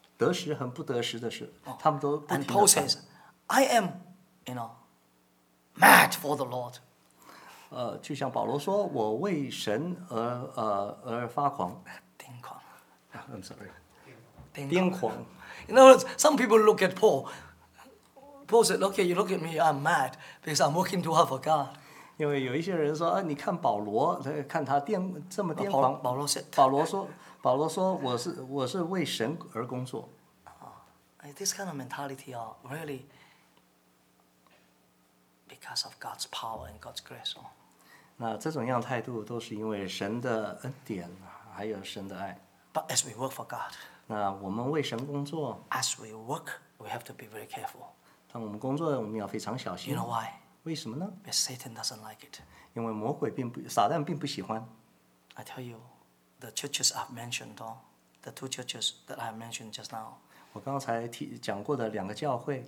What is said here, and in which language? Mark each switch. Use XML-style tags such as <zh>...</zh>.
<zh>得时和不得时的时，他们都不停的传。</zh> <en>And Paul says, I am, you know, mad for the Lord.</en> <zh>就像保罗说，我为神而发狂。癫狂。</zh> <en>I'm sorry.</en> <zh>癫狂。</zh> <en>In other words, some people look at Paul. Paul said, "Okay, you look at me. I'm mad because I'm working too hard for God."</en> <zh>因为有一些人说，你看保罗，看他癫这么癫狂。</zh> <en>保罗 said,</en> <zh>保罗说，我是为神而工作。</zh> <en>This kind of mentality really because of God's power and God's grace.</en> <zh>那这种样态度都是因为神的恩典，还有神的爱。</zh> <en>But as we work for God.</en> <zh>那我们为神工作。</zh> <en>As we work, we have to be very careful.</en> <zh>当我们工作，我们要非常小心。</zh> <en>You know why?</en> <zh>为什么呢</zh> <en>？Because Satan doesn't like it.</en> <zh>因为魔鬼并不，撒旦并不喜欢。</zh> <en>I tell you, the churches I've mentioned, the two churches that I mentioned just now.</en> <zh>我刚才讲过的两个教会。</zh>